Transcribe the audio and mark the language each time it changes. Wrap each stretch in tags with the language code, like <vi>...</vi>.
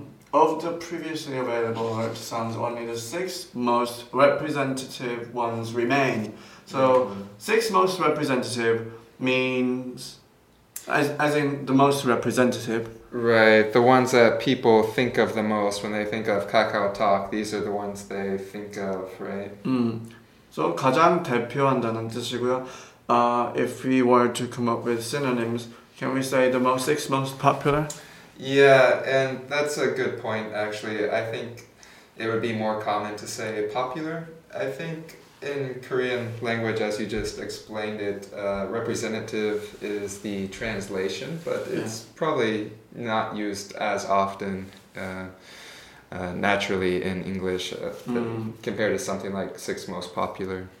<en>Of the previously available alert sounds, only the 6 most representative ones remain. So, 6 most representative means, as in the most representative. Right, the ones that people think of the most when they think of KakaoTalk, these are the ones they think of, right? Mm.</en> <ko>So, 가장 대표한다는 뜻이고요.</ko> <en>If we were to come up with synonyms, can we say the 6 most popular? Yeah, and that's a good point, actually. I think it would be more common to say popular. I think in Korean language, as you just explained it, representative is the translation, but it's probably not used as often naturally in English compared to something like 6 most popular.</en>